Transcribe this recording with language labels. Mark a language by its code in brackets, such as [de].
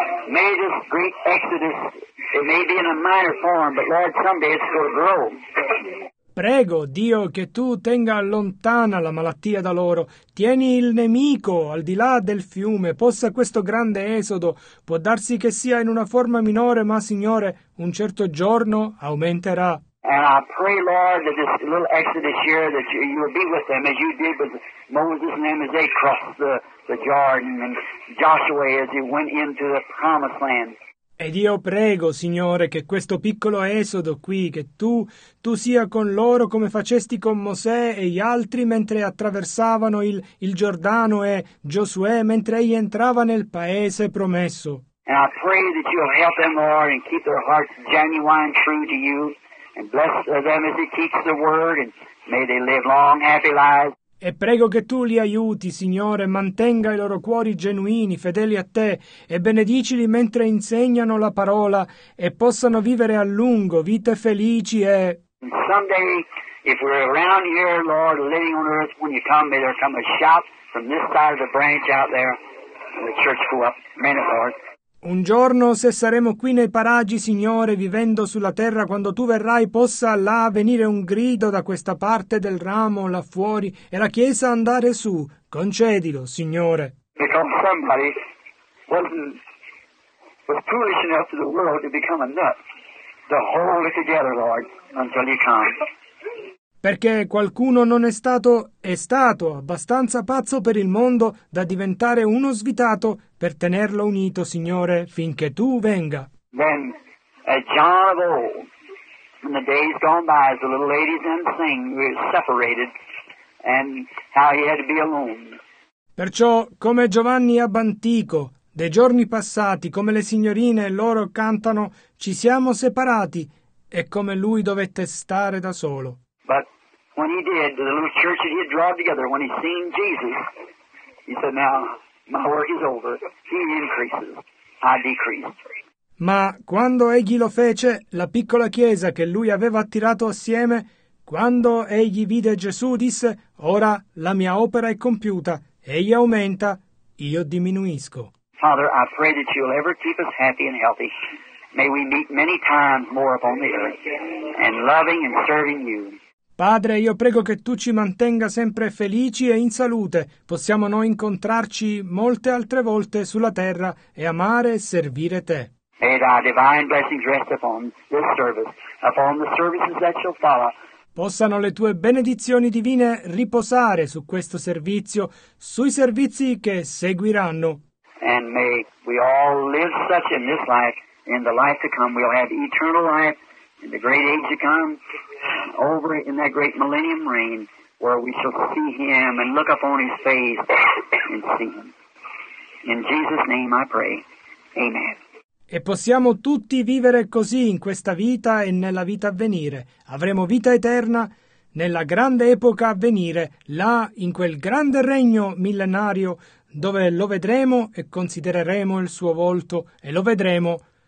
[en] May this great exodus, it may be in a minor form, but Lord, someday it's going to grow. [it] Prego, Dio, che tu tenga lontana la malattia da loro. Tieni il nemico al di là del fiume. Possa questo grande esodo, può darsi che sia in una forma minore, ma, Signore, un certo giorno aumenterà. [en] And I pray, Lord, that this little exodus here, that you will be with them as you did with Moses and them as they crossed the Jordan and Joshua as he went into the promised land. [it] Ed io prego, Signore, che questo piccolo esodo qui, che tu sia con loro come facesti con Mosè e gli altri mentre attraversavano il Giordano e Giosuè mentre egli entrava nel paese promesso. [en] And I pray that you'll help them, Lord, and keep their hearts genuine, true to you, and bless them as they teach the word, and may they live long, happy lives. [it] E prego che tu li aiuti, Signore, mantenga i loro cuori genuini, fedeli a te, e benedicili mentre insegnano la parola e possano vivere a lungo vite felici e... [en] Someday, if we're around here, Lord, living on earth, when you come, may there come a shout from this side of the branch out there, and the church go up. Amen, Lord. [it] Un giorno, se saremo qui nei paraggi, Signore, vivendo sulla terra, quando tu verrai, possa là venire un grido da questa parte del ramo là fuori e la chiesa andare su. Concedilo, Signore. [en] Because somebody was foolish enough to the world to become a nut to hold it together, Lord, until you come. [it] Perché qualcuno non è stato, è stato abbastanza pazzo per il mondo da diventare uno svitato per tenerlo unito, Signore, finché tu venga. [en] Then, John of old, in the days gone by, as the little ladies and sing, we were separated, and how he had to be alone. [it] Perciò, come Giovanni ab antico, dei giorni passati, come le signorine e loro cantano, ci siamo separati, e come lui dovette stare da solo. [en] But when he did, the little church that he had drawn together, when he seen Jesus, he said, now, my work is over, he increases, I decrease. [it] Ma quando egli lo fece, la piccola chiesa che lui aveva attirato assieme, quando egli vide Gesù, disse, ora la mia opera è compiuta, egli aumenta, io diminuisco. [en] Father, I pray that you'll ever keep us happy and healthy. May we meet many times more upon the earth, and loving and serving you. [it] Padre, io prego che tu ci mantenga sempre felici e in salute. Possiamo noi incontrarci molte altre volte sulla terra e amare e servire te. [en] May thy divine blessings rest upon this service, upon the services that shall follow. [it] Possano le tue benedizioni divine riposare su questo servizio, sui servizi che seguiranno. [en] And may we all live such in this life, in the life to come, we'll have eternal life, in the great age to come, over in that great millennium reign, where we shall see him and look upon his face and see him. In Jesus' name I pray. Amen. [it] E possiamo tutti vivere così in questa vita e nella vita a venire. Avremo vita eterna nella grande epoca a venire, là in quel grande regno millenario dove lo vedremo e considereremo il suo volto e lo vedremo.